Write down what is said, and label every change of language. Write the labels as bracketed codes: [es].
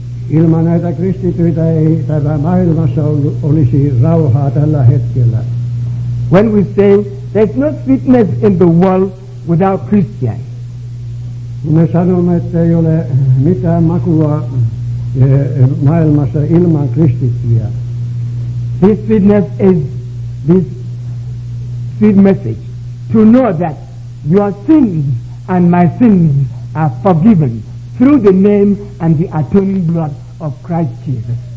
[fi] Ilman näitä kristityitä ei tämä maailmassa olisi rauhaa tällä hetkellä. [en] When we say there's no sweetness in the world without Christians, [fi] me sanomme, että ei ole mitään makua maailmassa ilman kristittyjä. [en] This sweetness is this sweet message to know that your sins and my sins are forgiven through the name and the atoning blood of Christ Jesus.